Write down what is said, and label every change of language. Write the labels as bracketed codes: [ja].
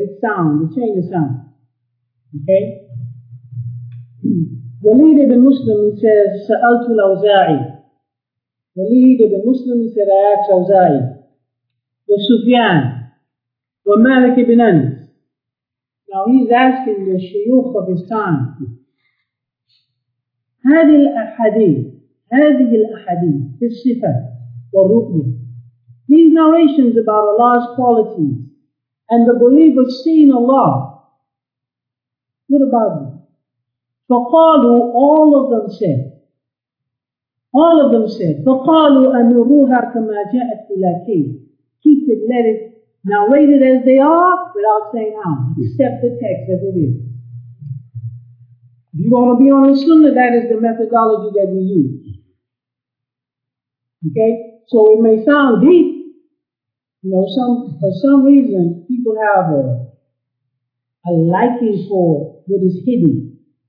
[en] It's sound, the chain of sound. Okay? Walid ibn Muslim says, [ar] Sa'altu al-Awza'i. [en] Walid ibn Muslim said, I asked Awza'i. Wa Sufyan. Wa Malik ibn Anas. Now he's asking the shayukh of his time. [ar] هذه الأحاديث, هذه الأحاديث, الصفة والرؤية. [en] These narrations about Allah's qualities and the believers seeing Allah. What about them? [ar] فقالوا, [en] all of them said. All of them said. [ar] فقالوا أمروها كما جاءت إلى كيف. [en] Keep it, let it. Narrate it as they are, without saying how. Accept the text as it is. If you want to be on the Sunnah, that is the methodology that we use. Okay? So it may sound deep. You know, for some reason, people have a liking for what is hidden.